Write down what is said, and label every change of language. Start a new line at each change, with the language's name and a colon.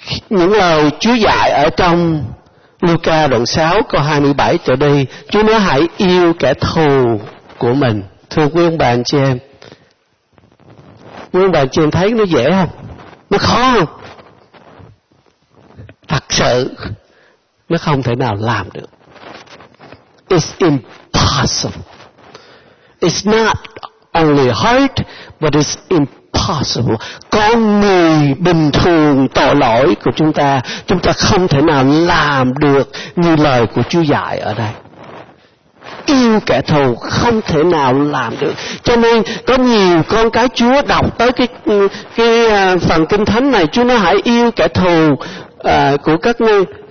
Vietnamese: Những lời Chúa dạy ở trong Luca đoạn 6 câu 27 trở đi, Chúa nói hãy yêu kẻ thù của mình. Thưa quý ông bà anh chị em, quý ông bà anh chị em thấy nó dễ không? Nó khó không? Thật sự nó không thể nào làm được.
English: It's impossible. It's not only hard, but it's impossible.
Vietnamese: Có người bình thường tội lỗi của chúng ta không thể nào làm được như lời của Chúa dạy ở đây. Yêu kẻ thù không thể nào làm được. Cho nên có nhiều con cái Chúa đọc tới cái phần kinh thánh này, Chúa nói hãy yêu kẻ thù của các ngươi.